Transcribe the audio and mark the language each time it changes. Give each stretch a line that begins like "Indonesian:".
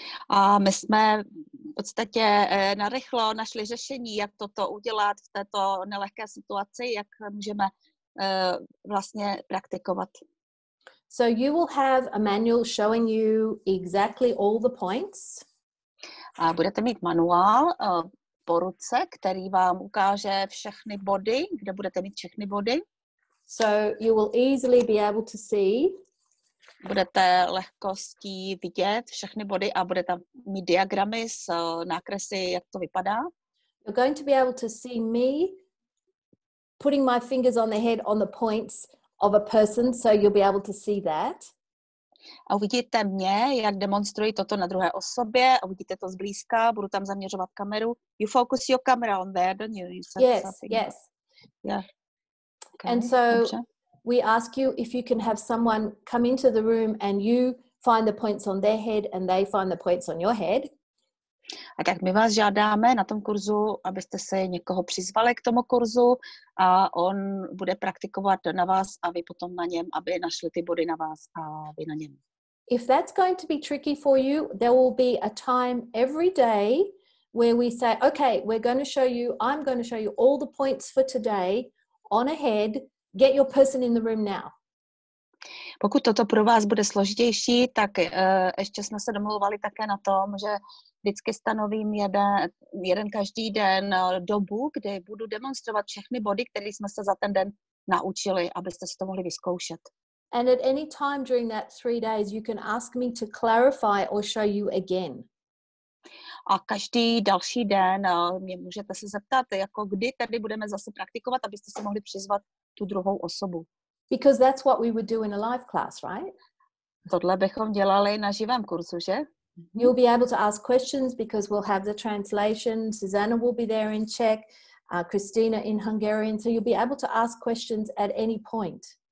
Czech: A my jsme v podstatě narychlo našli řešení, jak toto udělat v této nelehké situaci, jak můžeme vlastně praktikovat.
English: So you will have a manual showing you exactly all the points.
Czech: A budete mít manuál po ruce, který vám ukáže všechny body, kde budete mít všechny body.
English: So you will easily be able to see.
Czech: Budete lehkostí vidět všechny body a budete mít diagramy s nákresy, jak to vypadá.
English: You're going to be able to see me putting my fingers on the head on the points of a person, so you'll be able to see that.
Czech: A uvidíte mě, jak demonstruji toto na druhé osobě, a uvidíte to zblízka, budu tam zaměřovat kameru.
English: You focus your camera on there, don't you? Yes. Yeah. Okay. And so we ask you if you can have someone come into the room and you find the points on their head and they find the points on your head.
Czech: A tak my vás žádáme na tom kurzu, abyste se někoho přizvali k tomu kurzu a on bude praktikovat na vás a vy potom na něm, aby našli ty body na vás a vy na něm.
English: If that's going to be tricky for you, there will be a time every day where we say, okay, I'm going to show you all the points for today on a head. Get your person in the room now.
Czech: Pokud toto pro vás bude složitější, tak ještě jsme se domlouvali také na tom, že vždycky stanovím jeden každý den dobu, kdy budu demonstrovat všechny body, které jsme se za ten den naučili, abyste si to mohli vyzkoušet.
English: And at any time during that 3 days, you can ask me to clarify or show you again.
Czech: A každý další den mě můžete se zeptat, jako kdy tady budeme zase praktikovat, abyste se mohli přizvat tu druhou osobu.
English: Because that's what we would do in a live class, right?
Czech: Tohle bychom dělali na živém kurzu, že?
English: You'll be able to ask questions because we'll have the translation. Susanna will be there in Czech, Christina in Hungarian. So you'll be able to ask questions at any point.